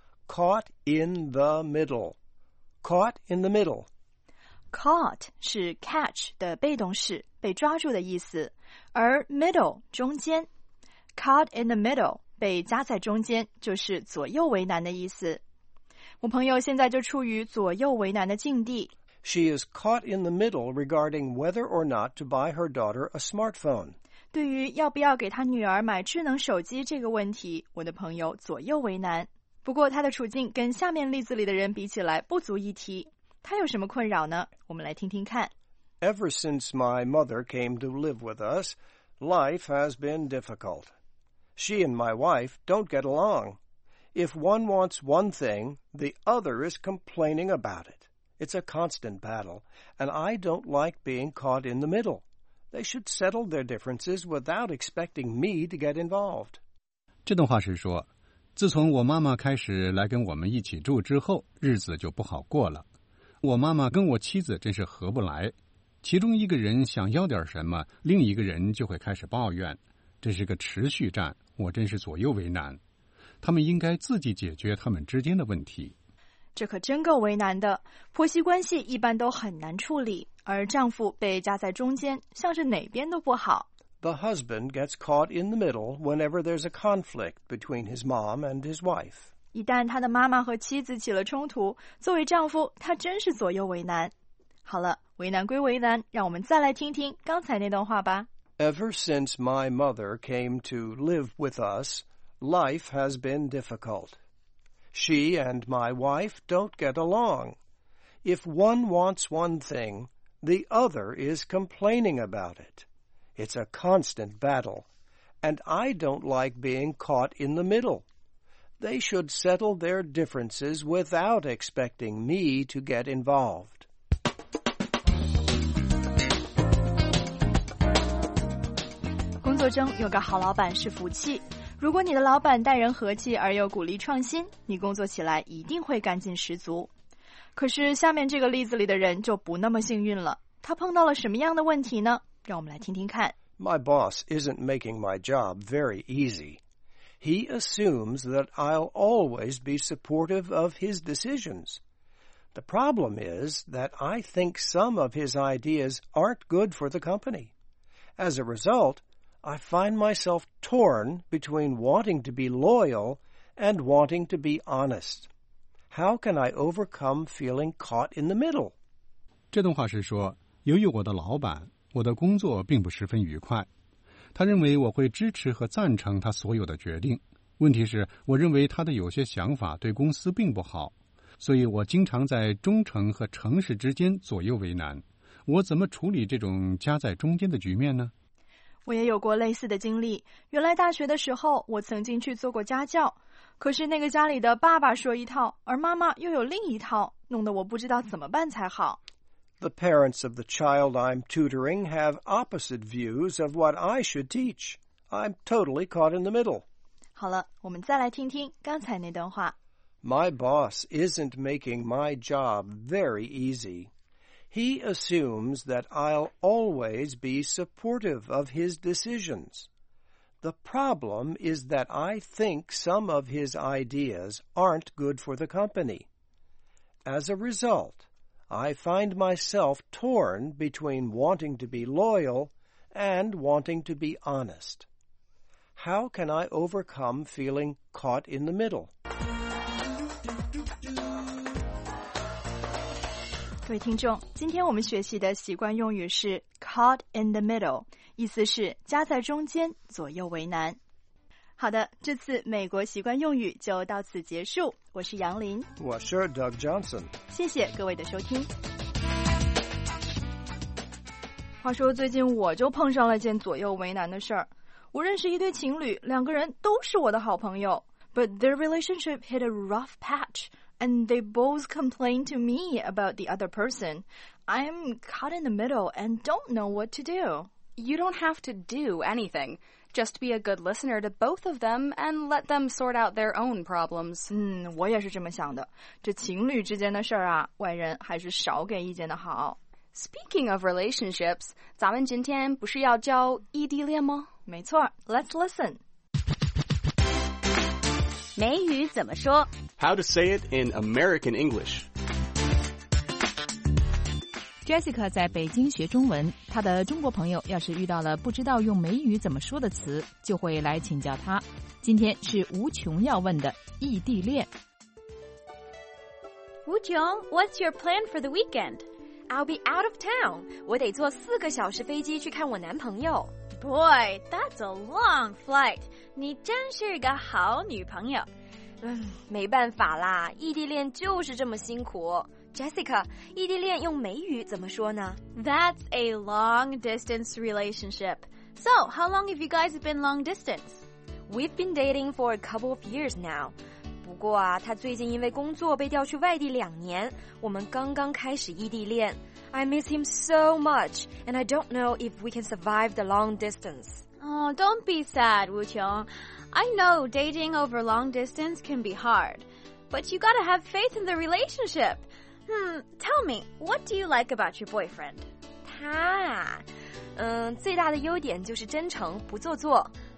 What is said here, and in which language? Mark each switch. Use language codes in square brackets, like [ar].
[en] Caught in the middle. Caught in the middle. [zh] Caught 是 catch 的被动式，被抓住的意思，而 middle 中间 [en] Caught in the middle. [zh] 被夹在中间就是左右为难的意思。我朋友现在就处于左右为难的境地。 [en] She is caught in the middle regarding whether or not to buy her daughter a smartphone. [zh] 对于要不要给她女儿买智能手机这个问题，我的朋友左右为难。不过她的处境跟下面例子里的人比起来不足一提。她有什么困扰呢？我们来听听看。 [en] Ever since my mother came to live with us, life has been difficult. She and my wife don't get along. If one wants one thing, the other is complaining about it. It's a constant battle, and I don't like being caught in the middle. They should settle their differences without expecting me to get involved. [zh] 这段话是说，自从我妈妈开始来跟我们一起住之后，日子就不好过了。我妈妈跟我妻子真是合不来，其中一个人想要点什么，另一个人就会开始抱怨。这是个持续战，我真是左右为难。他们应该自己解决他们之间的问题。这可真够为难的，婆媳关系一般都很难处理，而丈夫被夹在中间，像是哪边都不好。 [en] The husband gets caught in the middle whenever there's a conflict between his mom and his wife. [zh] 一旦他的妈妈和妻子起了冲突，作为丈夫，他真是左右为难。好了，为难归为难，让我们再来听听刚才那段话吧。 [en] Ever since my mother came to live with us, life has been difficult. She and my wife don't get along. If one wants one thing, the other is complaining about it. It's a constant battle, and I don't like being caught in the middle. They should settle their differences without expecting me to get involved. [zh] 工作中有个好老板是福气。如果你的老板待人和气而又鼓励创新，你工作起来一定会干劲十足。可是下面这个例子里的人就不那么幸运了，他碰到了什么样的问题呢？让我们来听听看。 [en] My boss isn't making my job very easy. He assumes that I'll always be supportive of his decisions. The problem is that I think some of his ideas aren't good for the company. As a result, I find myself torn between wanting to be loyal and wanting to be honest. How can I overcome feeling caught in the middle? [zh] 这段话是说，由于我的老板，我的工作并不十分愉快，他认为我会支持和赞成他所有的决定。问题是，我认为他的有些想法对公司并不好，所以我经常在忠诚和诚实之间左右为难。我怎么处理这种夹在中间的局面呢？我也有过类似的经历。原来大学的时候，我曾经去做过家教，可是那个家里的爸爸说一套，而妈妈又有另一套，弄得我不知道怎么办才好。 [en] The parents of the child I'm tutoring have opposite views of what I should teach. I'm totally caught in the middle. [zh] 好了，我们再来听听刚才那段话。 [en] My boss isn't making my job very easy. He assumes that I'll always be supportive of his decisions. The problem is that I think some of his ideas aren't good for the company. As a result,I find myself torn between wanting to be loyal and wanting to be honest. How can I overcome feeling caught in the middle? [zh] 各位听众，今天我们学习的习惯用语是 [en] caught in the middle， [zh] 意思是夹在中间，左右为难。好的，这次美国习惯用语就到此结束。我是杨林，我是 Doug Johnson。谢谢各位的收听。话说最近我就碰上了件左右为难的事儿。我认识一对情侣，两个人都是我的好朋友 [en] ，but their relationship hit a rough patch， and they both complain to me about the other person. I'm caught in the middle and don't know what to do. You don't have to do anything. Just be a good listener to both of them and let them sort out their own problems. [zh] 我也是这么想的。这情侣之间的事儿啊，外人还是少给意见的好。 [en] Speaking of relationships, [zh] 咱们今天不是要教异地恋吗？没错 [en] ,let's listen. [zh] 美语怎么说？ [en] How to say it in American English. [zh] Jessica 在北京学中文，她的中国朋友要是遇到了不知道用美语怎么说的词，就会来请教她。今天是吴琼要问的异地恋。 [en] 吴琼 ，What's your plan for the weekend? I'll be out of town. [zh] 我得坐四个小时飞机去看我男朋友。 [en] Boy, that's a long flight. [zh] 你真是一个好女朋友。没办法啦，异地恋就是这么辛苦。 Jessica, 异地恋用美语怎么说呢? [en] That's a long distance relationship. So, how long have you guys been long distance? We've been dating for a couple of years now. [zh] 不过啊，他最近因为工作被调去外地两年，我们刚刚开始异地恋。 [en] I miss him so much, and I don't know if we can survive the long distance. Oh, don't be sad, Wu Qiong. I know dating over long distance can be hard, but you gotta have faith in the relationship.Tell me, what do you like about your boyfriend? [zh] 他啊，最大的优点就是真诚，不做作。